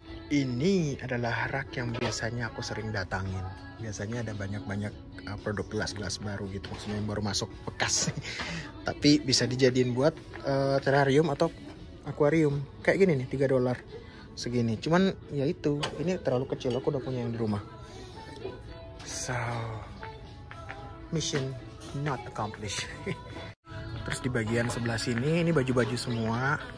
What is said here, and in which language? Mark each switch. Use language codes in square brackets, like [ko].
[id] Ini adalah rak yang biasanya aku sering datangin. Biasanya ada banyak-banyak produk gelas-gelas baru gitu, maksudnya yang baru masuk bekas. Tapi bisa dijadiin buat terarium atau akuarium. Kayak gini nih, $3 segini. Cuman ya itu, ini terlalu kecil, aku udah punya yang di rumah. [en] So, mission not accomplished. [id] Terus di bagian sebelah sini, ini baju-baju semua.